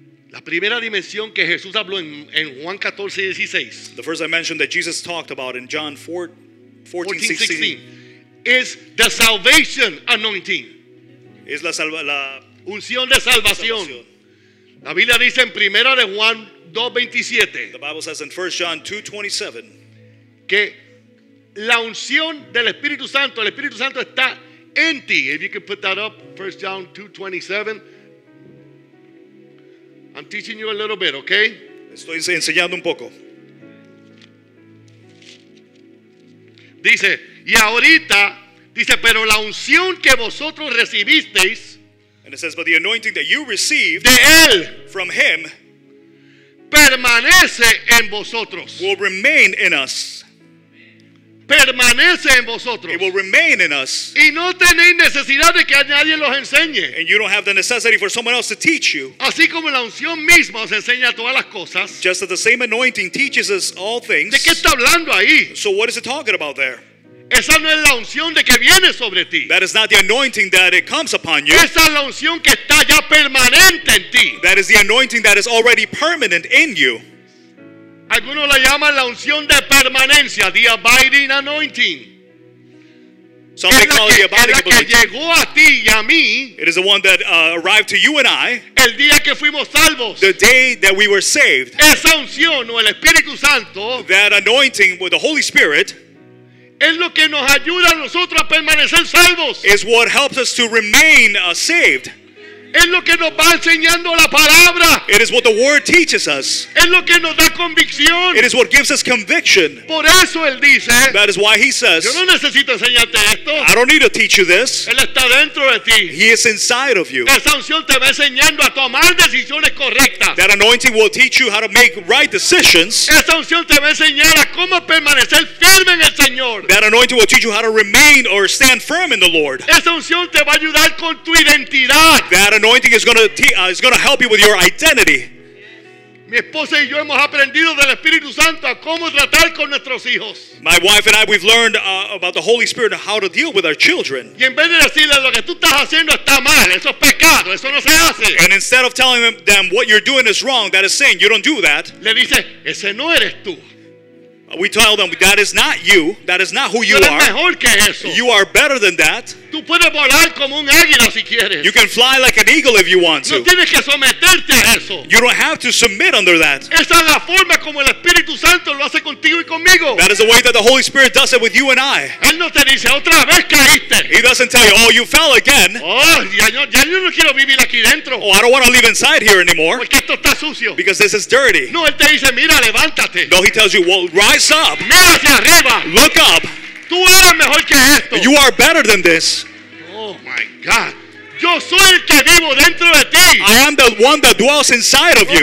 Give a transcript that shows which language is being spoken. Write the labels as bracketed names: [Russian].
[Spanish] La primera dimensión que Jesús habló en Juan 14:16. [English] The first dimension that Jesus talked about in John 14:16 is the salvation anointing. [Spanish] Es la unción de salvación. La Biblia dice en primera de Juan 2:27. [English] The Bible says in 1 John 2:27 [Spanish] que la unción del Espíritu Santo, el Espíritu Santo está en ti. [English] If you can put that up, 1 John 2:27. I'm teaching you a little bit, okay? [Spanish] Estoy enseñando un poco. Dice, y ahorita, dice, pero la unción que vosotros recibisteis, [English] and it says, but the anointing that you received [Spanish] de él, [English] from him, [Spanish] permanece en vosotros. [English] Will remain in us. [Spanish] Permanece en vosotros. [English] It will remain in us. [Spanish] Y no tenéis necesidad de que nadie los enseñe. [English] And you don't have the necessity for someone else to teach you. [Spanish] Así como la unción misma os enseña todas las cosas. [English] Just as the same anointing teaches us all things. [Spanish] ¿De qué está hablando ahí? [English] So what is it talking about there? [Spanish] Esa no es la unción de que viene sobre ti. [English] That is not the anointing that it comes upon you. [Spanish] Esa es la unción que está ya permanente en ti. [English] That is the anointing that is already permanent in you. [Spanish] Algunos la llaman la unción de permanencia, [English] the abiding anointing. Some may call it the abiding [Spanish] anointing. Es la que llegó a ti y a mí. [English] It is the one that arrived to you and I. [Spanish] El día que fuimos salvos. [English] The day that we were saved. [Spanish] Esa unción o el Espíritu Santo. [English] That anointing with the Holy Spirit. [Spanish] Es lo que nos ayuda a nosotros a permanecer salvos. [English] Is what helps us to remain saved. [Spanish] Es lo que nos va enseñando la palabra. [English] It is what the word teaches us. [Spanish] Es lo que nos da convicción. [English] It is what gives us conviction. [Spanish] Por eso él dice, [English] that is why he says, [Spanish] yo no necesito enseñarte esto. [English] I don't need to teach you this. [Spanish] Él está dentro de ti. [English] He is inside of you. [Spanish] Esa unción te va enseñando a tomar decisiones correctas. [English] That anointing will teach you how to make right decisions. [Spanish] Esa unción te va a enseñar a cómo permanecer firme en el Señor. [English] That anointing will teach you how to remain or stand firm in the Lord. [Spanish] Esa unción te va a ayudar con tu identidad. [English] That anointing is going to help you with your identity. [Spanish] Mi esposa y yo hemos aprendido del Espíritu Santo a cómo tratar con nuestros hijos. [English] My wife and I, we've learned about the Holy Spirit and how to deal with our children. [Spanish] Y en vez de decirle lo que tú estás haciendo está mal, eso es pecado, eso no se hace. [English] And instead of telling them what you're doing is wrong, that is sin, you don't do that. [Spanish] Le dice, ese no eres tú. [English] We tell them that is not you. That is not who you are. [Spanish] Mejor que eso. [English] You are better than that. [Spanish] Tú puedes volar como un águila si quieres. [English] You can fly like an eagle if you want to. [Spanish] No tienes que someterte a eso. [English] You don't have to submit under that. [Spanish] Esa es la forma como el Espíritu Santo lo hace contigo y conmigo. [English] That is the way that the Holy Spirit does it with you and I. [Spanish] Él no te dice otra vez caíste. [English] He doesn't tell you, oh, you fell again. [Spanish] Ya no quiero vivir aquí dentro. [English] Oh, I don't want to live inside here anymore. [Spanish] Porque esto está sucio. [English] Because this is dirty. [Spanish] No, él te dice, mira, levántate. [English] No, he tells you, well, rise up. [Spanish] Mira hacia arriba. [English] Look up. [Spanish] Tú eres mejor que esto. [English] You are better than this. Oh my God. [Spanish] Yo soy el que vivo dentro de ti. [English] I am the one that dwells inside of you.